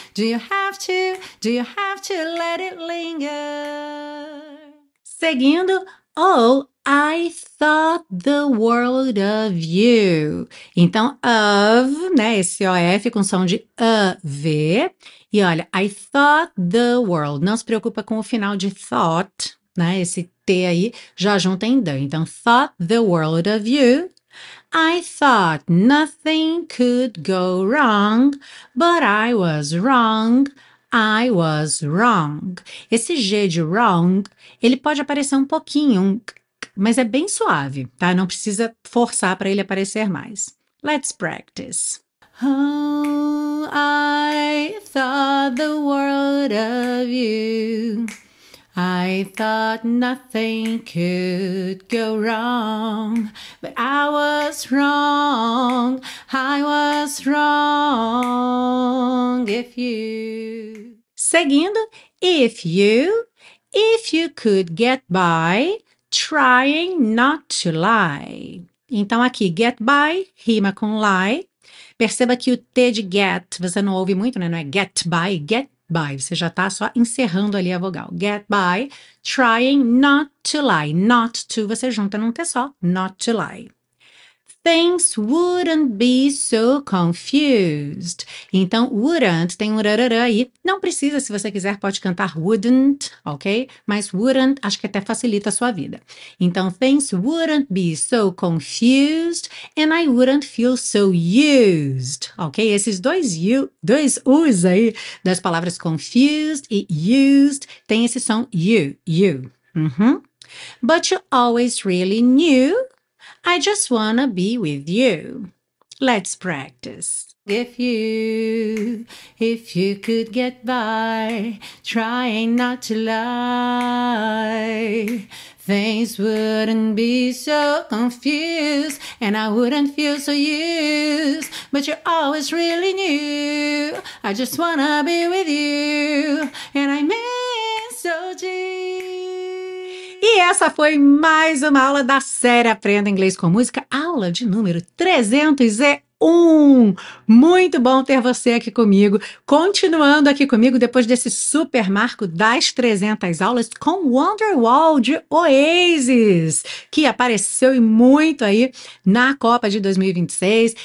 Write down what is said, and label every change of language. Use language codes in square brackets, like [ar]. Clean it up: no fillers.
[en] Do you have to? Do you have to let it linger? Seguindo, oh, I thought the world of you. [pt] Então, of, né, esse OF com som de AV. [en] E olha, I thought the world. [pt] Não se preocupa com o final de thought, né, esse T aí já junta em the. [en] Então, thought the world of you. I thought nothing could go wrong, but I was wrong. I was wrong. [pt] Esse G de wrong, ele pode aparecer um pouquinho, mas é bem suave, tá? Não precisa forçar para ele aparecer mais. [en] Let's practice. Oh, I thought the world of you. I thought nothing could go wrong, but I was wrong. I was wrong. If you. Seguindo, if you could get by trying not to lie. [pt] Então aqui, get by rima com lie. Perceba que o T de get você não ouve muito, né? Não é get by, get by. Você já está só encerrando ali a vogal. Get by trying not to lie. Not to, você junta num T só. [en] Not to lie. Things wouldn't be so confused. [pt] Então, wouldn't, tem um rarará aí. Não precisa, se você quiser, pode cantar wouldn't, ok? Mas wouldn't, acho que até facilita a sua vida. [en] Então, things wouldn't be so confused and I wouldn't feel so used, ok? [pt] Esses dois you, dois us aí das palavras confused e used tem esse som you, you. Uhum. [en] But you always really knew I just wanna be with you. Let's practice. If you could get by trying not to lie, things wouldn't be so confused and I wouldn't feel so used. But you always really knew I just wanna be with you and I miss so deep. [pt] E essa foi mais uma aula da série Aprenda Inglês com Música, aula de número 301. Muito bom ter você aqui comigo, continuando aqui comigo depois desse super marco das 300 aulas com Wonderwall de Oasis, que apareceu e muito aí na Copa de 2026.